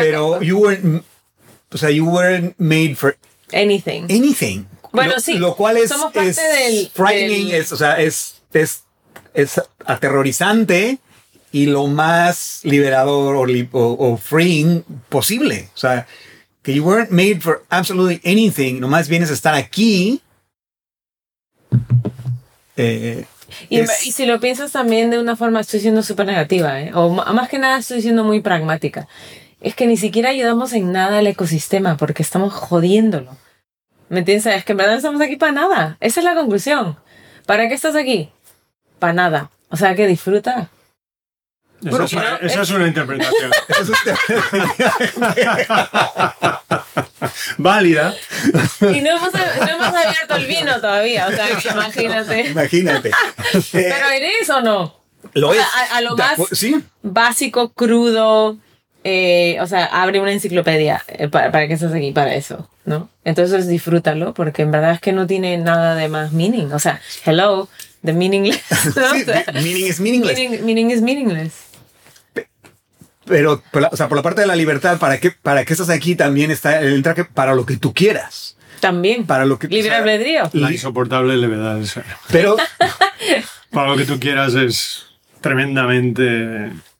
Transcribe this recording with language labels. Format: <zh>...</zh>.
<es>Pero cosa.</es> <en>you weren't made for... Anything.</en> <es>Bueno, lo, sí. Lo cual es... Somos parte es del...</es> <en>Frightening,</en> <es>del... Es, o sea, es... Es aterrorizante y lo más liberador o freeing posible. O sea, que</es> <en>you weren't made for absolutely anything.</en> <es>Nomás vienes a estar aquí. Y si lo piensas también de una forma, estoy siendo súper negativa. O más que nada estoy siendo muy pragmática. Es que ni siquiera ayudamos en nada al ecosistema porque estamos jodiéndolo. ¿Me entiendes? Es que en verdad no estamos aquí para nada. Esa es la conclusión. ¿Para qué estás aquí? Para nada. O sea, que disfruta. Esa es una interpretación. Válida. Y no hemos abierto el vino todavía. O sea, imagínate. ¿Pero eres o no? Lo es. A lo más básico, crudo. Abre una enciclopedia para que estés aquí para eso, ¿no? Entonces disfrútalo, porque en verdad es que no tiene nada de más meaning. O sea,</es> <en>hello... The meaningless. Sí, meaning is meaningless. Meaning is meaningless.</en> <es>Pero por la parte de la libertad, ¿para qué estás aquí? También está el entraje para lo que tú quieras. También. Para lo que libre albedrío. La insoportable levedad. Esa. Pero para lo que tú quieras es tremendamente</es>